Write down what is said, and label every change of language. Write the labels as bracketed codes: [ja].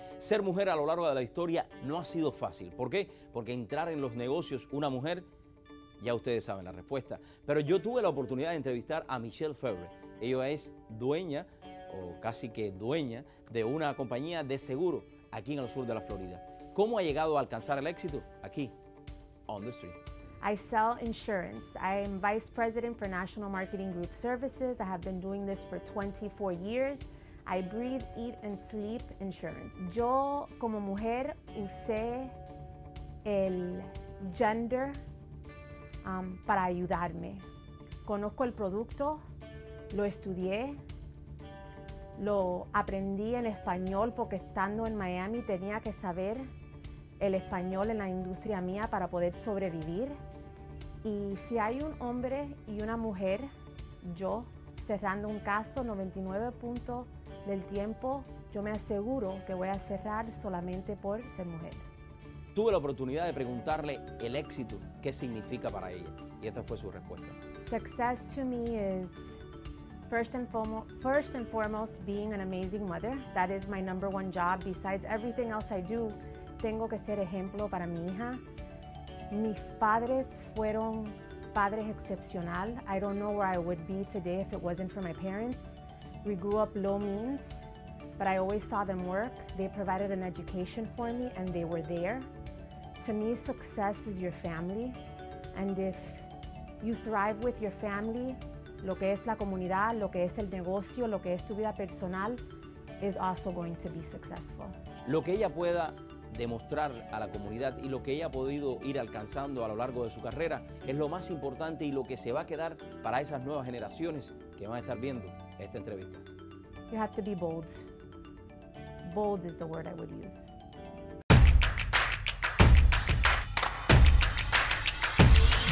[es] Ser mujer a lo largo de la historia no ha sido fácil. ¿Por qué? Porque entrar en los negocios una mujer, ya ustedes saben la respuesta. Pero yo tuve la oportunidad de entrevistar a Michelle Febres. Ella es dueña, o casi que dueña, de una compañía de seguro aquí en el sur de la Florida. ¿Cómo ha llegado a alcanzar el éxito? [en] Aquí, on the street. I sell insurance. I am vice president for National Marketing Group Services. I have been doing this for 24 years. I breathe, eat, and sleep insurance. [es] Yo, como mujer, usé el gender para ayudarme. Conozco el producto, lo estudié, lo aprendí en español porque estando en Miami tenía que saber el español en la industria mía para poder sobrevivir. Y si hay un hombre y una mujer, yo, cerrando un caso 99 puntos del tiempo, yo me aseguro que voy a cerrar solamente por ser mujer. Tuve la oportunidad de preguntarle el éxito, qué significa para ella, y esta fue su respuesta. [en] Success to me is first and foremost being an amazing mother. That is my number one job. Besides everything else I do, [es] tengo que ser ejemplo para mi hija. Mis padres fueron padres excepcional. [en] I don't know where I would be today if it wasn't for my parents. We grew up low means, but I always saw them work. They provided an education for me and they were there. To me, success is your family. And if you thrive with your family, [es] lo que es la comunidad, lo que es el negocio, lo que es tu vida personal, [en] is also going to be successful. [es] Lo que ella pueda demostrar a la comunidad y lo que ella ha podido ir alcanzando a lo largo de su carrera es lo más importante y lo que se va a quedar para esas nuevas generaciones que van a estar viendo esta entrevista. [en] You have to be bold. Bold is the word I would use.